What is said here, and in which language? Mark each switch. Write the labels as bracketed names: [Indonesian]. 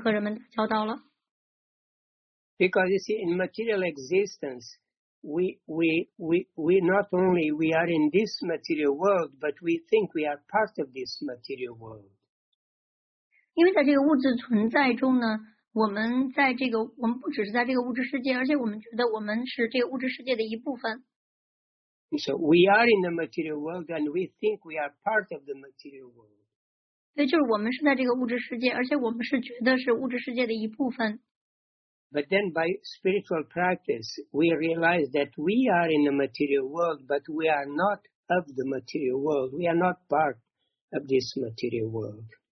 [Chinese] 那所以呢，在最开始的时候呢，这位奉献者他可能就会想要远离所有的这些和物质世人的接触，但是当他经过了一段时间的休息之后呢，让自己变得更加的强悍了以后呢，他就可以以一个不同的视角去进入到这个世界去和人们打交道了。 [English] Because you see, in material existence, we not only are in this material world, but we think we are part of this material world. [Chinese] 因为在这个物质存在中呢，我们不只是在这个物质世界，而且我们觉得我们是这个物质世界的一部分。 [English] So we are in the material world, and we think we are part of the material world. [Chinese] 对，就是我们是在这个物质世界，而且我们是觉得是物质世界的一部分。 [English] But then by spiritual practice, we realize that we are in the material world, but we are not of the material world. We are not part of this material world.